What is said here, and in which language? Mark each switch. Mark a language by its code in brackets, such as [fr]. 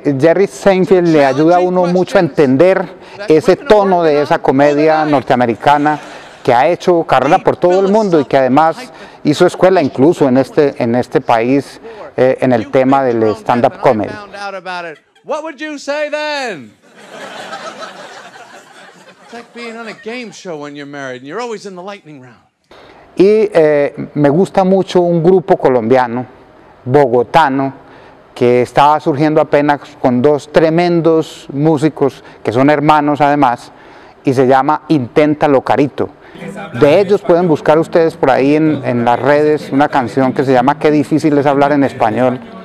[es] Jerry Seinfeld le ayuda a uno mucho a entender ese tono de esa comedia norteamericana que ha hecho carrera por todo el mundo y que además hizo escuela incluso en este país en el tema del stand-up comedy. [en] What would you say then? It's like being on a game show when you're married and you're always in the lightning round. [es] Y me gusta mucho un grupo colombiano, bogotano, que estaba surgiendo apenas con dos tremendos músicos, que son hermanos además, y se llama Inténtalo Carito. De ellos pueden buscar ustedes por ahí en las redes una canción que se llama Qué difícil es hablar en español.